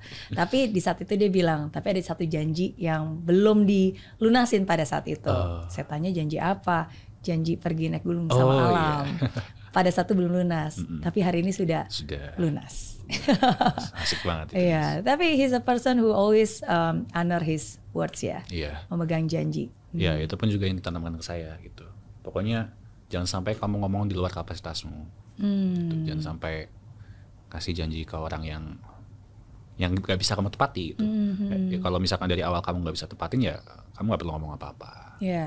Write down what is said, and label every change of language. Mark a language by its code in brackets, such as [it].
[id] Tapi di saat itu dia bilang, tapi ada satu janji yang belum dilunasin pada saat itu. Saya tanya, janji apa? Janji pergi naik gunung sama alam. Pada saat itu belum lunas, tapi hari ini sudah. Lunas. Asik banget. [en] Tapi he's a person who always honor his words ya. [id] Memegang janji. Itu pun juga yang ditanamkan ke saya gitu. Pokoknya jangan sampai kamu ngomong di luar kapasitasmu. Gitu. Jangan sampai kasih janji ke orang yang gak bisa kamu tepati gitu. Kalau misalkan dari awal kamu gak bisa tepatin ya, kamu gak perlu ngomong apa-apa.